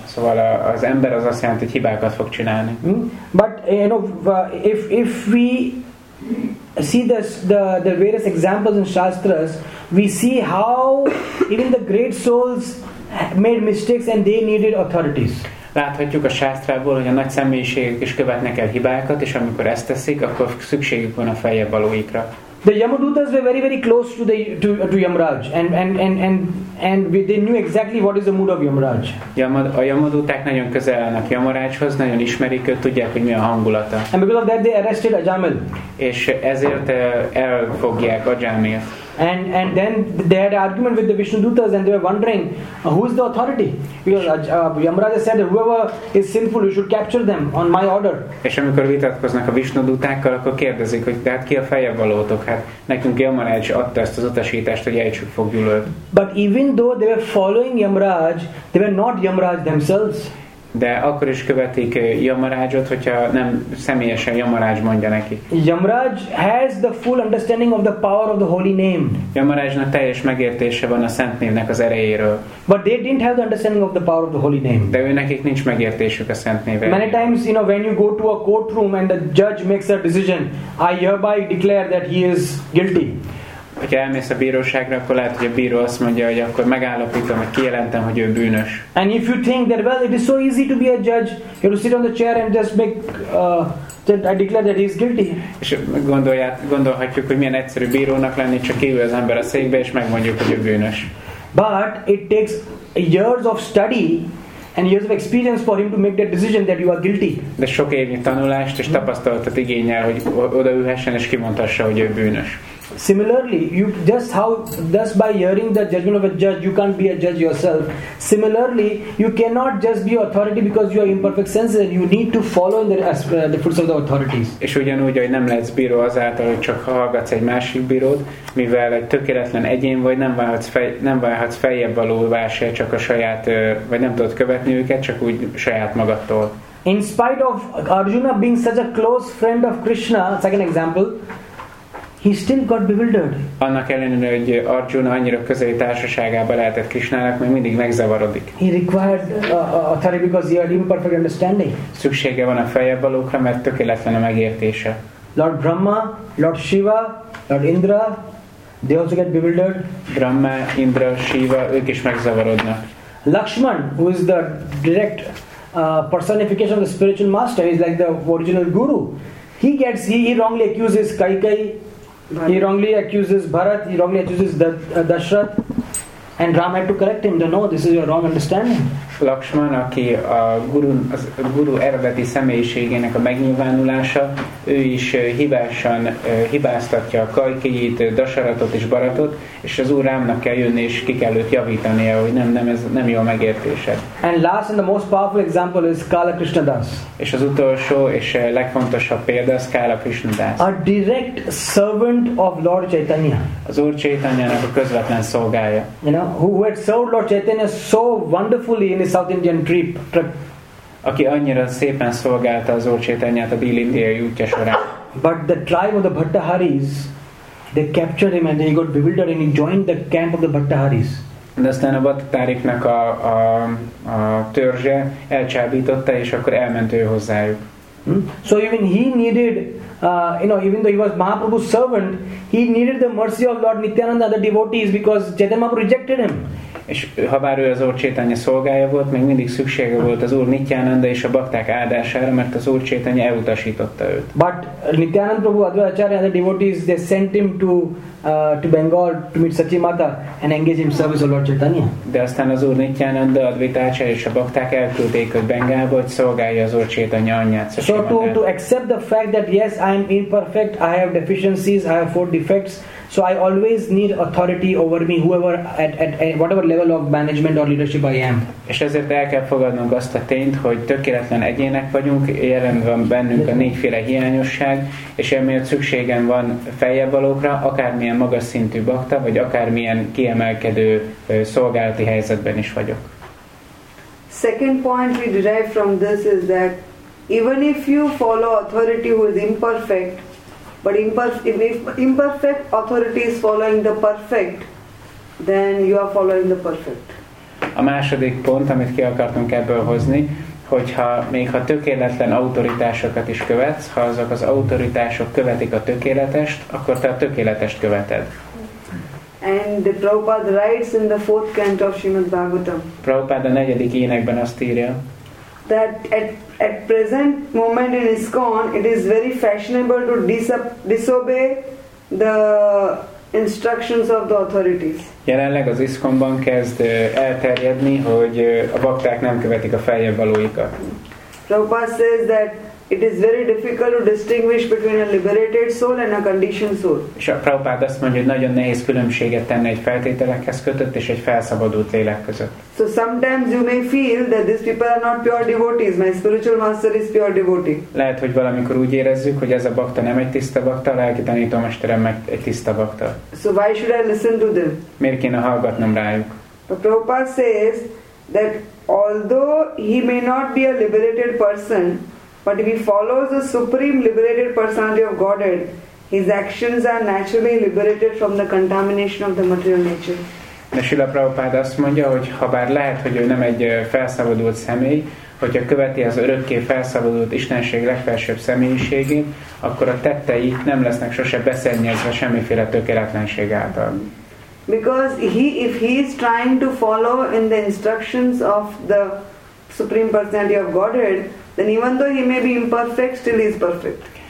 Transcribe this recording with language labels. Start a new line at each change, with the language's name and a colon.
Hungarian: Szóval az ember az azt jelenti, hogy hibákat fog csinálni.
English: But you know, if we see the various examples in Shastras, we see how even the great souls made mistakes and they needed authorities.
Hungarian: Láthatjuk a sástrából, hogy a nagy személyiségek is követnek el hibákat, és amikor ezt teszik, akkor szükségük van a feljebb valóikra.
English: The Yamadutas were very very close to the to Yamraj and they knew exactly what is the mood of Yamraj.
Hungarian: A Yamaduták nagyon közel állnak Yamarajhoz, nagyon ismerik őt, tudják, hogy mi a hangulata.
English: And because of that they arrested Ajamil.
Hungarian: És ezért elfogják Ajamilt.
English: And then they had an argument with the Vishnudutas and they were wondering, who is the authority? Because Yamaraja said that whoever is sinful, you should capture them on my order.
Hungarian: És amikor vitatkoznak a Vishnudutákkal, akkor kérdezik, hogy de hát ki a fejebb valótok? Hát nekünk Yamaraj adta ezt az utasítást, hogy ejtsük fogjul őt.
English: But even though they were following Yamaraj, they were not Yamaraj themselves.
Hungarian: De akkor is követik Yamarajot, hogyha nem személyesen Yamaraj mondja neki.
English: Yamaraj has the full understanding of the power of the holy name.
Hungarian: Yamarajnak teljes megértése van a szent névnek az erejéről.
English: But they didn't have the understanding of the power of the holy name.
Hungarian: De nekik nincs megértésük a szent névre.
English: Many times, you know, when you go to a courtroom and the judge makes a decision, I hereby declare that he is guilty.
Hungarian: Hogyha elmész a bíróságra, akkor lehet, hogy a bíró azt mondja, hogy akkor megállapítom, hogy kijelentem, hogy ő bűnös.
English: And if you think that, well, it is so easy to be a judge, you have to sit on the chair and just make, I declare that he is guilty.
Hungarian: És gondolhatjuk, hogy milyen egyszerű bírónak lenni, csak kívül az ember a székbe, és megmondjuk, hogy ő bűnös.
English: But it takes years of study and years of experience for him to make that decision that you are guilty.
Hungarian: De sok évnyi tanulást és tapasztalatot igényel, hogy odaülhessen és kimondhassa, hogy ő bűnös.
English: Similarly, you just how thus by hearing the judgment of a judge, you can't be a judge yourself. Similarly, you cannot just be authority because you are imperfect senses. You need to follow in the footsteps of the authorities.
Hungarian: És ugyanúgy, hogy nem lehetsz bíró azáltal, hogy csak hallgatsz egy másik bírót, mivel egy tökéletlen egyén vagy, nem válhatsz feljebb valóvá se, csak a saját, vagy nem tudod követni őket, csak úgy saját magadtól.
English: In spite of Arjuna being such a close friend of Krishna, second example, he still got bewildered.
Hungarian: Annak ellenére, hogy Arjuna annyira közeli társaságába lehetett Krishnának, még mindig megzavarodik.
English: He required authority because he had imperfect understanding.
Hungarian: Szüksége van a feljebb valókra, mert tökéletlen a megértése.
English: Lord Brahma, Lord Shiva, Lord Indra, they also get bewildered.
Hungarian: Brahma, Indra, Shiva, ők is megzavarodnak.
English: Lakshman, who is the direct personification of the spiritual master, is like the original guru. He wrongly accuses Kaikai. Bharat. He wrongly accuses Bharat, he wrongly accuses Dashrath, and Ram had to correct him. No, this is your wrong understanding.
Hungarian: Lakshman, aki a guru eredeti személyiségének a megnyilvánulása, ő is hibásan hibáztatja a Kaikeyit, Dasharatot és Bharatot, és az Úr Rámnak kell jönni, és ki kell őt javítania, hogy nem ez nem jó megértése.
English: And last and the most powerful example is Kala Krishna Das.
Hungarian: És az utolsó és legfontosabb példa az Kala Krishna Das.
English: A direct servant of Lord Chaitanya.
Hungarian: Az Úr Chaitanyának a közvetlen szolgája.
English: You know, who had served Lord Chaitanya so wonderfully in the South Indian trip.
Hungarian: Aki annyira szépen szolgálta az Úr Chaitanyát a Dél-Indiai útja során.
English: But the tribe of the Bhattaharis, they captured him and he got bewildered and he joined the camp of the Bhattaharis.
Hungarian: De aztán a Bhattahariknak a törzse elcsábította, és akkor elment ő hozzájuk.
English: So even he needed, even though he was Mahaprabhu's servant, he needed the mercy of Lord Nityananda, the devotees, because Chaitanya Mahaprabhu rejected him.
Hungarian: És habár ő az Úr Chaitanya szolgája volt, még mindig szüksége volt az Úr Nityananda és a bakták áldására, mert az Úr Chaitanya elutasította őt.
English: But Nityananda Prabhu, Advaita Acharya, the devotees, they sent him to Bengal to meet Sachi Mata and engage him service of Lord Chaitanya.
Hungarian: De aztán az Úr Nityananda, Advaita Acharya és a bakták elküldték őt Bengálba, hogy szolgálja az Úr Chaitanya anyját, Sachi
English: Mata. So to accept the fact that yes, I am imperfect, I have deficiencies, I have 4 defects, so I always need authority over me, whoever at whatever level of management or leadership I am.
Hungarian: És ezért el kell fogadnunk azt a tényt, hogy tökéletlen egyének vagyunk, jelen van bennünk a négyféle hiányosság, és emiatt szükségem van feljebb valókra, akármilyen magas szintű bakta, vagy akármilyen kiemelkedő szolgálati helyzetben is vagyok.
English: Second point we derive from this is that even if you follow authority who is imperfect, but if imperfect authority is following the perfect, then you are following the perfect.
Hungarian: A második pont, amit ki akartunk ebből hozni, hogyha még ha tökéletlen autoritásokat is követsz, ha azok az autoritások követik a tökéletest, akkor te a tökéletest követed.
English: And the Prabhupada writes in the 4th canto of Srimad Bhagavatam.
Hungarian: Prabhupada a 4. énekben azt írja,
English: that at present moment in ISKCON, it is very fashionable to disobey the instructions of the authorities.
Hungarian: Jelenleg az ISKCON-ban kezd elterjedni, hogy a bakták nem követik a feljebb valóikat.
English: Prabhupada says that It is very difficult to distinguish between a liberated soul and a conditioned soul.
Hungarian: És a Prabhupád azt mondja, hogy nagyon nehéz különbséget tenni egy feltételekhez kötött és egy felszabadult lélek között.
English: So sometimes you may feel that these people are not pure devotees. My spiritual master is pure devotee.
Hungarian: Lehet, hogy valamikor úgy érezzük, hogy ez a bakta nem egy tiszta bakta, a lelki tanítómesterem meg egy tiszta bakta.
English: So why should I listen to them?
Hungarian: Miért kéne hallgatnom rájuk?
English: But Prabhupád says that although he may not be a liberated person, but if he follows the supreme liberated personality of Godhead, his actions are naturally liberated from the contamination of the material nature.
Hungarian: De Srila Prabhupada azt mondja, hogy ha bár lehet, hogy ő nem egy felszabadult személy, hogyha követi az örökké felszabadult Istenség legfelsőbb személyiségét, akkor a tettei nem lesznek sose beszennyezve semmiféle tökéletlenség által.
English: Because if he is trying to follow in the instructions of the supreme personality of Godhead, then even though he may be imperfect, still he is perfect.